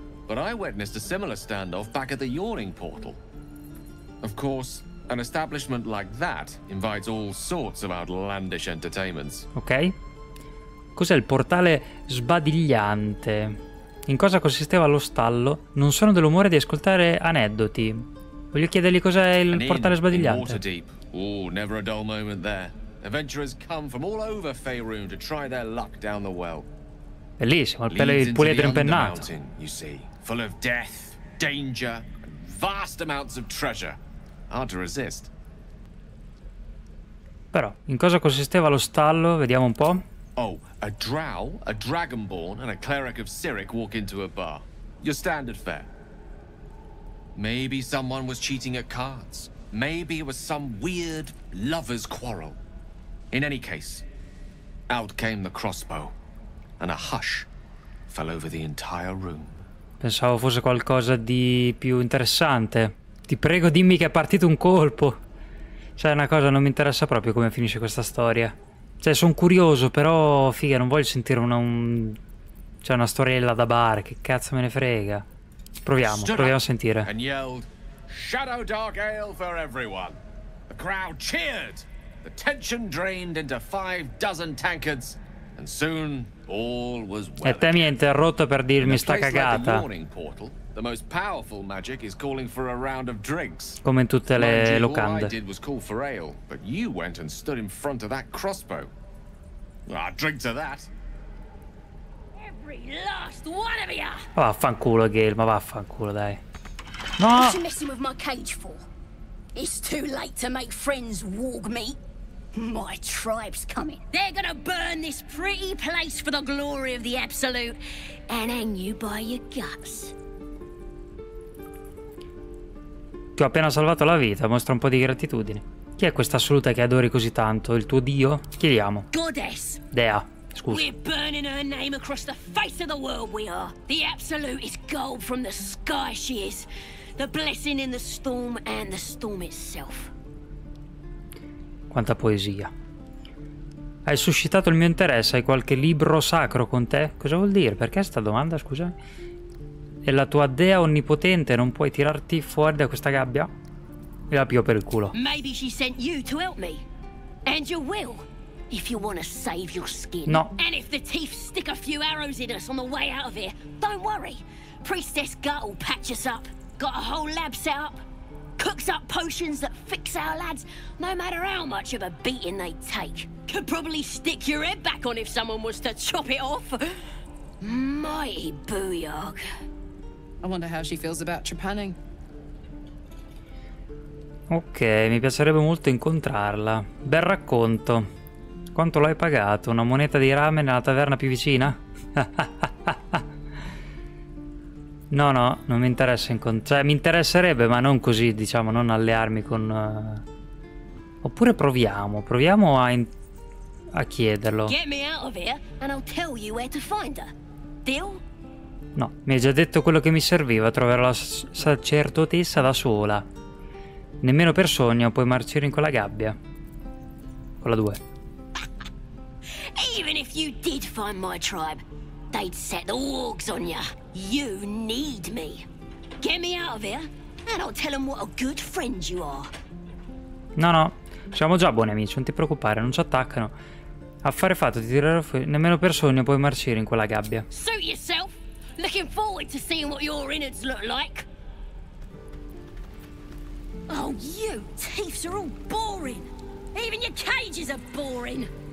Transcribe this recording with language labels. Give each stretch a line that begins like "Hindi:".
English: But I witnessed a similar standoff back at the Yawning Portal. Of course, an establishment like that invites all sorts of outlandish entertainments. Ok.
Italian: Cos'è il portale sbadigliante? In cosa consisteva lo stallo? Non sono dell'umore di ascoltare aneddoti. Voglio chiedergli cos'è il portale sbadigliante.
English: Oh, never a dull moment there. Adventurers come from all over Faerun to try their luck down the well.
Italian: Bellissimo, il puledro impennato.
English: You see, full of death, danger, and vast amounts of treasure. Hard to resist.
Italian: Però, in cosa consisteva lo stallo? Vediamo un po'.
English: Oh, a drow, a dragonborn, and a cleric of Siric walk into a bar. Your standard fare. Maybe someone was cheating at cards. Maybe it was some weird lover's quarrel. In any case, out came the crossbow, and a hush fell over the entire room.
Italian: Pensavo fosse qualcosa di più interessante. Ti prego, dimmi che è partito un colpo. Sai una cosa, non mi interessa proprio come finisce questa storia. Cioè, sono curioso, però, figa, non voglio sentire una, un C'è una storiella da bar, che cazzo me ne frega. Proviamo, proviamo a sentire.
English: And yelled, Shadow Dark Ale for everyone. The crowd cheered. The tension drained into five dozen tankards. And soon all was well.
Italian: E te mi hai interrotto per dirmi sta cagata.
English: The most powerful magic is calling for a round of drinks.
Italian: Come in tutte le locande.
English: All I did was call for ale, but you went and stood in front of that crossbow. Well, I'll drink to that. Every last one of you.
Italian: Vaffanculo, Gale, ma vaffanculo, dai. No!
English: What are you messing with my cage for? It's too late to make friends, warg meat. My tribe's coming. They're gonna burn this pretty place for the glory of the absolute and hang you by your guts.
Italian: Ti ho appena salvato la vita, mostra un po' di gratitudine. Chi è questa assoluta che adori così tanto? Il tuo dio? Chiediamo.
English: Goddess.
Italian: Dea. Scusa.
English: We're burning her name across the face of the world, we are. The absolute is gold from the sky, she is. The blessing in the storm and the storm itself.
Italian: Quanta poesia. Hai suscitato il mio interesse, hai qualche libro sacro con te? Cosa vuol dire? Perché sta domanda, scusa? E la tua dea onnipotente non puoi tirarti fuori da questa gabbia? E la pio per il culo.
English: Maybe she sent you to help me. And you will, if you want to save your skin. No. And if the teeth stick a few arrows in us on the way out of here, don't worry. Priestess Gut will patch us up. Got a whole lab set up. Cooks up potions that fix our lads, no matter how much of a beating they take. Could probably stick your head back on if someone was to chop it off. Mighty booyog. I wonder how she feels about trepanning.
Italian: Ok, mi piacerebbe molto incontrarla. Bel racconto. Quanto l'hai pagato? Una moneta di rame nella taverna più vicina? No, no, non mi interessa incontrare. Cioè, mi interesserebbe, ma non così, diciamo, non allearmi con. Oppure proviamo. Proviamo a a chiederlo.
English: Get me out of here and I'll tell you where to find her. Deal?
Italian: No, mi hai già detto quello che mi serviva, troverò la sacerdotessa da sola. Nemmeno per sogno puoi marcire in quella gabbia. Con la 2.
English: Even if you did find my tribe, they'd set the wargs on ya. You need me. Get me out of here and I'll tell them what a good friend you are.
Italian: No, no, siamo già buoni amici, non ti preoccupare, non ci attaccano. Affare fatto, ti tirerò fuori. Nemmeno per sogno puoi marcire in quella gabbia.
English: Suit yourself. Looking forward to seeing what your innards look like. Oh, you teeth are all boring. Even your cages are boring.